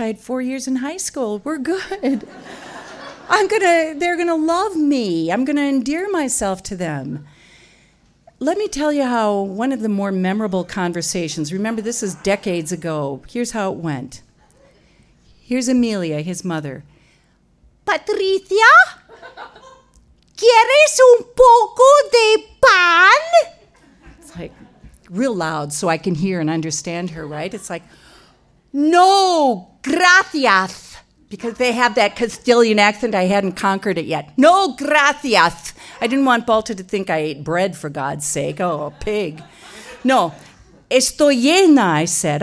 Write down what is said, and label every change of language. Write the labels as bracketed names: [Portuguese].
[English] I had 4 years in high school. We're good. they're going to love me. I'm going to endear myself to them. Let me tell you how one of the more memorable conversations, remember this is decades ago, here's how it went. Here's Emilia, his mother. [Spanish] Patricia, ¿quieres un poco de pan? [English] It's like real loud so I can hear and understand her, right? It's like, [Spanish] no, gracias. [English] Because they have that Castilian accent, I hadn't conquered it yet. [Spanish] No, gracias. [English] I didn't want Balta to think I ate bread, for God's sake. Oh, pig. [Spanish] No, estoy llena, [English] I said.